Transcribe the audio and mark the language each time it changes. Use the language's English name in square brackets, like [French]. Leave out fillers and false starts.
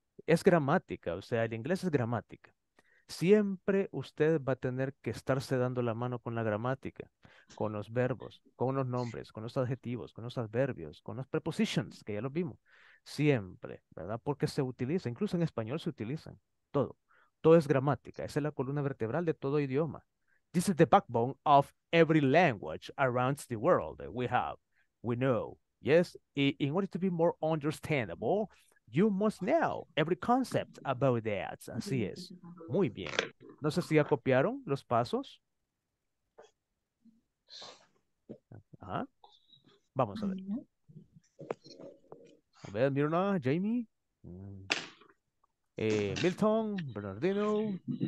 [Spanish] Es gramática, o sea, el inglés es gramática. Siempre usted va a tener que estarse dando la mano con la gramática, con los verbos, con los nombres, con los adjetivos, con los adverbios, con las prepositions, que ya los vimos. Siempre, ¿verdad? Porque se utiliza, incluso en español se utilizan, todo. Todo es gramática, esa es la columna vertebral de todo idioma. [English] This is the backbone of every language around the world that we have, we know. Yes, in order to be more understandable, you must know every concept about that. [Spanish] Así es. Muy bien. No sé si ya copiaron los pasos. Ajá. Vamos a ver. A ver, Mirna, Jamie. Milton, Bernardino.